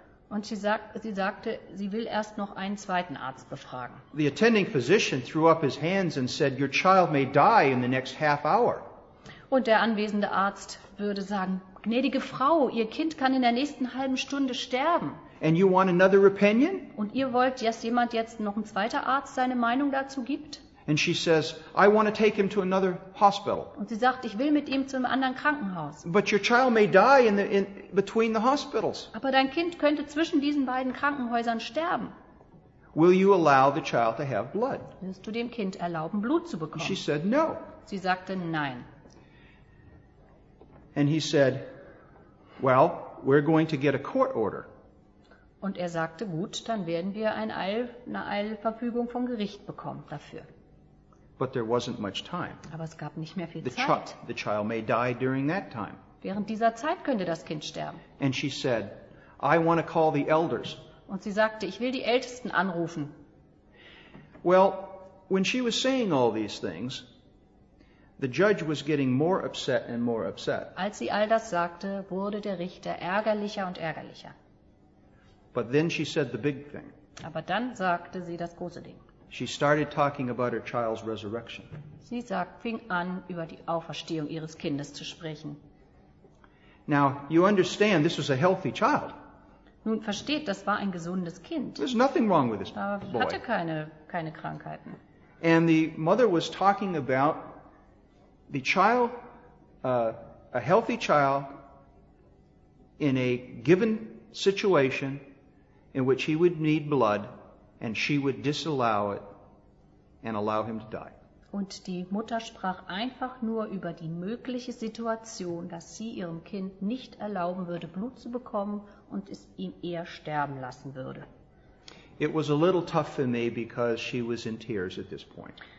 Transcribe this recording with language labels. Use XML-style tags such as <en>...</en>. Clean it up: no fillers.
<de>Und sie sagte, sie will erst noch einen zweiten Arzt befragen.</de> <en>The attending physician threw up his hands and said, your child may die in the next half hour.</en> <de>Und der anwesende Arzt würde sagen, gnädige Frau, Ihr Kind kann in der nächsten halben Stunde sterben.</de> <en>And you want another opinion?</en> <de>Und ihr wollt, dass jemand jetzt noch ein zweiter Arzt seine Meinung dazu gibt?</de> <en>And she says, I want to take him to another hospital.</en> <de>Und sie sagt, ich will mit ihm zu einem anderen Krankenhaus.</de> <en>But your child may die in between the hospitals.</en> <de>Aber dein Kind könnte zwischen diesen beiden Krankenhäusern sterben.</de> <en>Will you allow the child to have blood?</en> <de>Willst du dem Kind erlauben, Blut zu bekommen?</de> <en>She said, no.</en> <de>Sie sagte, nein.</de> <en>And he said, well, we're going to get a court order.</en> <de>Und er sagte, gut, dann werden wir eine Eilverfügung vom Gericht bekommen dafür.</de> <en>But there wasn't much time.</en> <de>Aber es gab nicht mehr viel</de> <en>the</en> <de>Zeit.</de> <en>The child may die during that time.</en> <de>Während dieser Zeit könnte das Kind sterben.</de> <en>And she said, I want to call the elders.</en> <de>Und sie sagte, ich will die Ältesten anrufen.</de> <en>Well, when she was saying all these things, the judge was getting more upset and more upset.</en> <de>Als sie all das sagte, wurde der Richter ärgerlicher und ärgerlicher.</de> <en>But then she said the big thing.</en> <de>Aber dann sagte sie das große Ding.</de> <en>She started talking about her child's resurrection.</en> <de>Sie sagt, fing an, über die Auferstehung ihres Kindes zu sprechen.</de> <en>Now, you understand, this was a healthy child.</en> <de>Nun versteht, das war ein gesundes Kind.</de> <en>There's nothing wrong with this boy.</en> <de>Er hatte keine Krankheiten.</de> <en>And the mother was talking about the child, a healthy child in a given situation in which he would need blood. And she would disallow it and allow him to die.</en> <de>Und die Mutter sprach einfach nur über die mögliche Situation, dass sie ihrem Kind nicht erlauben würde, Blut zu bekommen und es ihm eher sterben lassen würde.</de> <en>It was a little tough for me because she was in tears at this point.</en>